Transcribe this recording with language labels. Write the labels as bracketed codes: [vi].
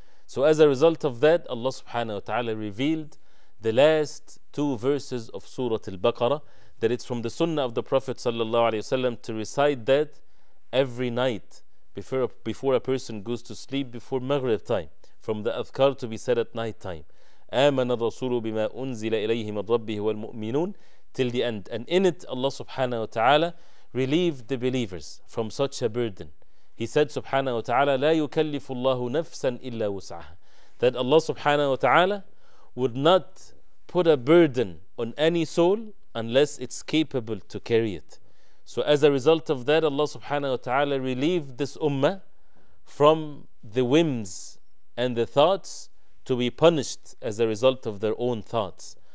[en] So as a result of that, Allah subhanahu wa ta'ala revealed the last two verses of Surah Al-Baqarah, that it's from the Sunnah of the Prophet sallallahu alaihi wasallam to recite that every night before a person goes to sleep before Maghrib time, from the Adhkar to be said at night time. [ar] آمن الرسول بما أنزل إليه من ربه والمؤمنون [en] till the end. And in it, Allah subhanahu wa ta'ala relieved the believers from such a burden. He said subhanahu wa ta'ala [ar] لا يكلف الله نفسا إلا وسعها, [en] that Allah subhanahu wa ta'ala would not put a burden on any soul unless it's capable to carry it. So as a result of that, Allah subhanahu wa ta'ala relieved this ummah from the whims and the thoughts to be punished as a result of their own thoughts.